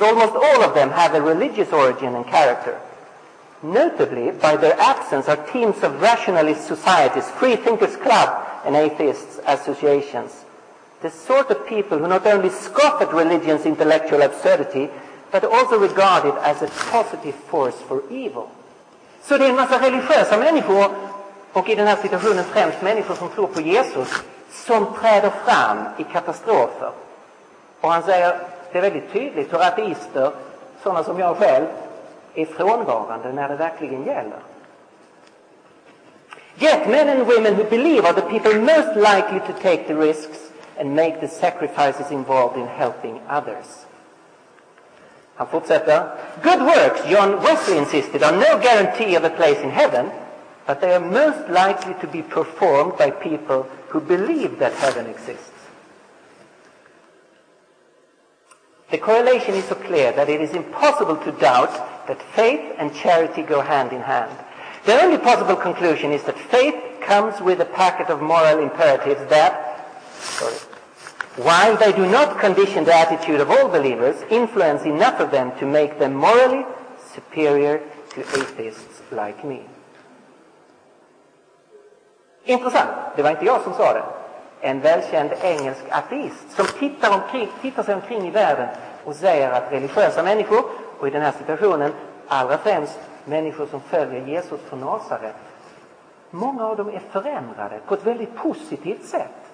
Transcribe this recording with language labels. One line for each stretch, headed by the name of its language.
English: Almost all of them have a religious origin and character. Notably, by their absence are teams of rationalist societies, free thinkers club, and atheists associations. The sort of people who not only scoff at religion's intellectual absurdity, but also regard it as a positive force for evil.
Swedish: Så det är en massa religiösa människor, och i den här situationen främst människor som tror på Jesus, som träder fram i katastrofer. Och han säger, det är väldigt tydligt hur ateister, sådana som jag själv, är frånvarande när det verkligen gäller.
English: Yet men and women who believe are the people most likely to take the risks and make the sacrifices involved in helping others.
Swedish: Han fortsätter.
English: Good works, John Wesley insisted, are no guarantee of a place in heaven, but they are most likely to be performed by people who believe that heaven exists. The correlation is so clear that it is impossible to doubt that faith and charity go hand in hand. The only possible conclusion is that faith comes with a packet of moral imperatives that, while they do not condition the attitude of all believers, influence enough of them to make them morally superior to atheists like me.
Swedish: Intressant. Det var inte jag som sa det. En välkänd engelsk ateist som tittar sig omkring i världen och säger att religiösa människor, och i den här situationen allra främst människor som följer Jesus från Nasaret, många av dem är förändrade på ett väldigt positivt sätt.